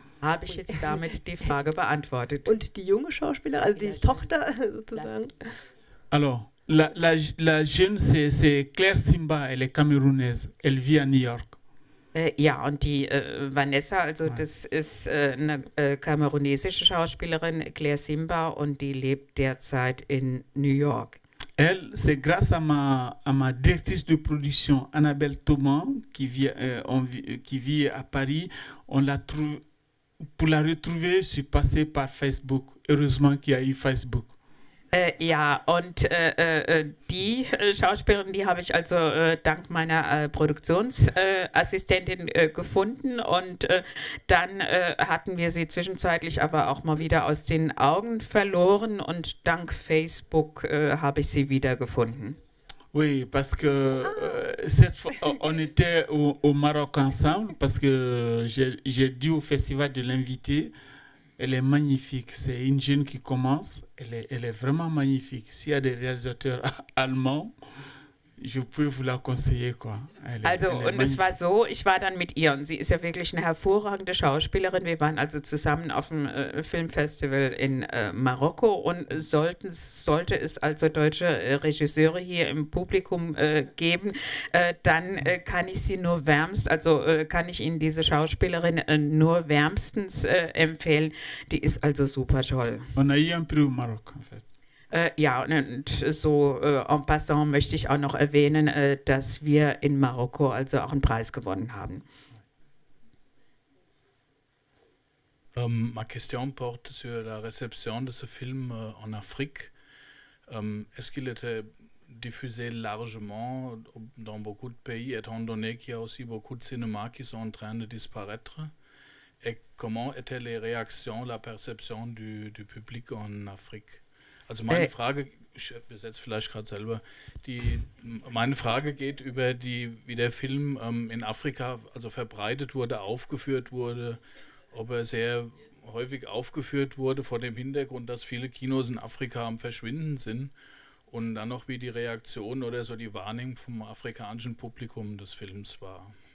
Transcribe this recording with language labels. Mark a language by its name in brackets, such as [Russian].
[German] Habe ich jetzt damit die Frage beantwortet. Und die junge Schauspielerin, also die Tochter sozusagen. [French] Alors, la jeune, c'est Claire Simba, elle est camerounaise, elle vit à New York. [German] Ja, und die Vanessa, also das ist eine kamerunesische Schauspielerin, Claire Simba, und die lebt derzeit in New York. [French] Elle, c'est grâce à ma directrice de production, Annabelle Thomas, qui vit à Paris, on l'a trouvée. Pour la retrouver, je suis passé par Facebook. Heureusement qu'il y a eu Facebook. [German] Ja, und die Schauspielerin, die habe ich also dank meiner Produktionsassistentin gefunden. Und dann hatten wir sie zwischenzeitlich aber auch mal wieder aus den Augen verloren. Und dank Facebook habe ich sie wieder gefunden. [French] Oui, parce que cette fois, on était au Maroc ensemble, parce que j'ai dit au festival de l'inviter, elle est magnifique, c'est une jeune qui commence, elle est vraiment magnifique. S'il y a des réalisateurs allemands, je peux vous la conseiller, quoi. [German] Also, und es war so, ich war dann mit ihr, und sie ist ja wirklich eine hervorragende Schauspielerin. Wir waren also zusammen auf dem Filmfestival in Marokko und sollte es also deutsche Regisseure hier im Publikum geben, dann kann ich sie nur wärmst, also kann ich Ihnen diese Schauspielerin nur wärmstens empfehlen. Die ist also super toll. [French] On a eu un prix au Maroc, en fait. [German] Ja, und so en passant möchte ich auch noch erwähnen, dass wir in Marokko also auch einen Preis gewonnen haben. [French] Ma question porte sur la réception de ce film en Afrique. Est-ce qu'il était diffusé largement dans beaucoup de pays, étant donné qu'il y a aussi beaucoup de cinémas qui sont en train de disparaître? Et comment étaient les réactions, la perception du public en Afrique? [German] Also meine Frage, ich besetze vielleicht gerade selber, meine Frage geht über wie der Film in Afrika also verbreitet wurde, aufgeführt wurde, ob er sehr häufig aufgeführt wurde vor dem Hintergrund, dass viele Kinos in Afrika am Verschwinden sind und dann noch wie die Reaktion oder so die Wahrnehmung vom afrikanischen Publikum des Films war.